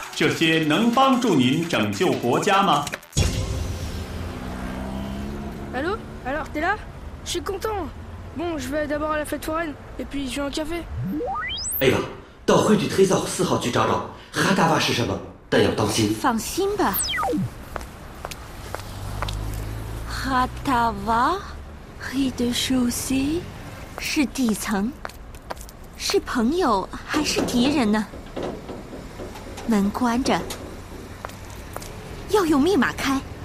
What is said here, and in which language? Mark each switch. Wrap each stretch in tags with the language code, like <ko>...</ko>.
<zh>这些能帮助您拯救国家吗</zh> <fr>？Allô? Alors, t'es là? Je suis content. Bon, je vais d'abord à la fête foraine, et puis je veux un café. Eh bien,</fr> <zh>到rue du Trésor 4号去找找 Ratava 是什么。但要当心。放心吧。哈达瓦，黑的熟悉，是底层，是朋友还是敌人呢？门关着，要用密码开。</zh>